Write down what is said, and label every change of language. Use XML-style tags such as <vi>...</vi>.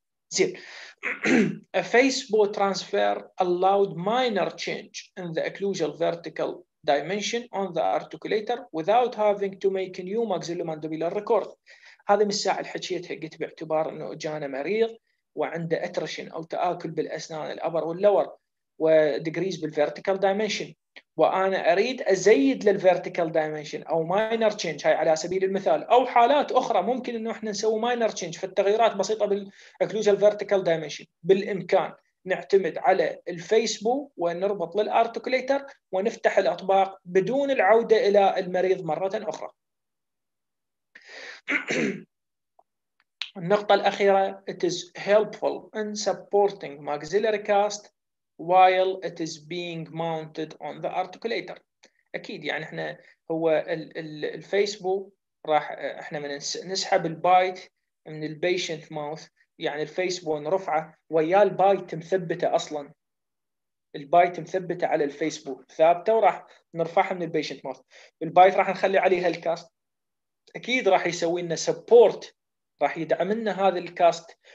<en>زين facebow transfer allowed minor change in the occlusal vertical dimension on the articulator without having to make a new maxillomandibular record.</en> <ar>هذه من الساعه اللي حكيتها قلت باعتبار انه جانا مريض وعنده اترشن او تاكل بالاسنان الابر واللور ودجريز بالفيرتيكال دايمنشن وانا اريد ازيد للفيرتيكال دايمنشن او ماينر تشينج هاي على سبيل المثال او حالات اخرى ممكن انه احنا نسوي ماينر تشينج في التغييرات بسيطه بالاكلوجال فيرتيكال دايمنشن بالامكان نعتمد على الفيسبو ونربط للارتكوليتر ونفتح الاطباق بدون العوده الى المريض مره اخرى. النقطة الأخيرة</ar> <en>it is helpful in supporting maxillary cast while it is being mounted on the articulator.</en> <ar>أكيد يعني إحنا هو الفيسبوك راح إحنا من نسحب البايت من البيشنت ماوث يعني الفيسبوك نرفعه ويا البايت مثبتة أصلا البايت مثبتة على الفيسبوك ثابتة وراح نرفعها من البيشنت ماوث البايت راح نخلي عليها الكاست أكيد راح يسوي لنا support راح يدعم لنا هذا الكاست</ar>